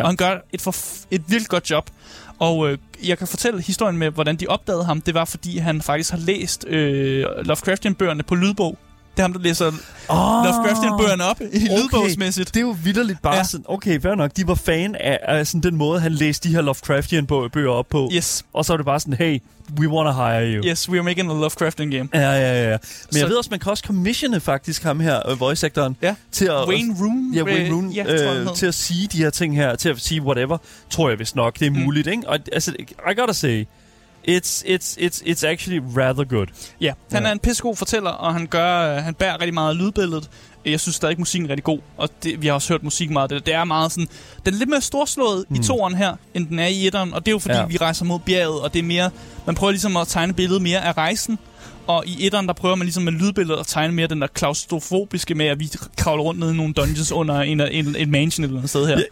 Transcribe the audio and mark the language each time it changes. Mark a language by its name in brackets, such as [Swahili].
[Danish] Og han gør et vildt godt job. Og jeg kan fortælle historien med, hvordan de opdagede ham. Det var fordi han faktisk har læst Lovecraftian-bøgerne på lydbog. Det er ham, der læser Lovecraftian-bøgerne op i lydbogsmæssigt. Det er jo vitterligt bare sådan, okay, fair nok, de var fan af sådan den måde, han læste de her Lovecraftian-bøger op på. [English] Yes. [Danish] Og så var det bare sådan, [English] hey, we wanna hire you. Yes, we are making a Lovecraftian game. [Danish] Ja, ja, ja. Men så, jeg ved også, man kan også commissione faktisk ham her, voice actoren. Ja, til at, Wayne Rune. Ja, Wayne Rune, ja, til at sige de her ting her, til at sige whatever, tror jeg vist nok, det er muligt, ikke? Og, altså, [English] I gotta say, It's actually rather good. [Danish] Ja, han er en pissegod fortæller, og han bærer rigtig meget lydbilledet. Jeg synes stadig, musikken er rigtig god, og det, vi har også hørt musik meget. Det er meget sådan, den er lidt mere storslået i toren her, end den er i etteren, og det er jo fordi, vi rejser mod bjerget, og det er mere, man prøver ligesom at tegne billedet mere af rejsen, og i etteren, der prøver man ligesom med lydbilledet at tegne mere den der klaustrofobiske med, at vi kravler rundt ned i nogle dungeons under en mansion eller noget sted her.